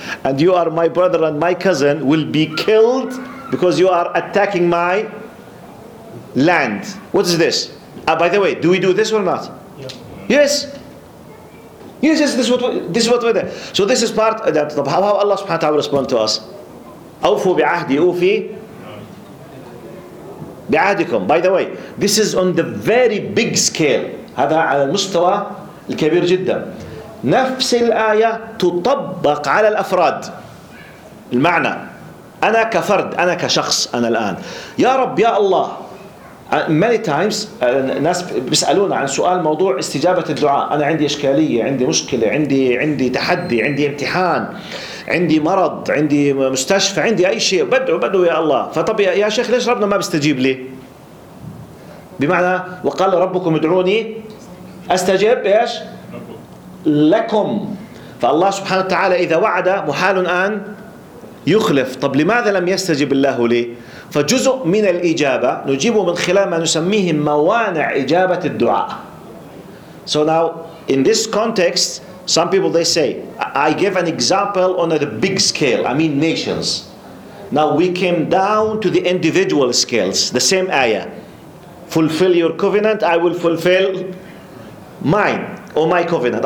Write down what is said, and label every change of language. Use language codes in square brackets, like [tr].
[en] And you are my brother and my cousin, will be killed because you are attacking my land. What is this? By the way, do we do this or not? Yeah. Yes. Yes, yes, this is what we're doing. So this is part of that. How Allah subhanahu wa ta'ala respond to us? [ar] أوفوا بعهدي أوفي بعهدكم. [en] By the way, this is on the very big scale. [ar] هذا على المستوى الكبير جدا. نفس الآية تطبق على الأفراد. المعنى أنا كفرد، أنا كشخص، أنا الآن يا رب يا الله. [en] Many times [ar] الناس بيسألونا عن سؤال موضوع استجابة الدعاء. أنا عندي إشكالية، عندي مشكلة، عندي تحدي، عندي امتحان، عندي مرض، عندي مستشفى، عندي أي شيء، بدعو يا الله. فطب يا شيخ ليش ربنا ما بيستجيب لي؟ بمعنى وقال ربكم ادعوني أستجب إيش لكم. فالله سبحانه وتعالى إذا وعد محال أن يخلف. طب لماذا لم يستجب الله لي؟ فجزء من الإجابة نجيبه من خلال ما نسميه موانع إجابة الدعاء. [en] So now in this context, some people they say, I give an example on a big scale, I mean nations. Now we came down to the individual scales, the same ayah. Fulfill your covenant, I will fulfill mine or my covenant.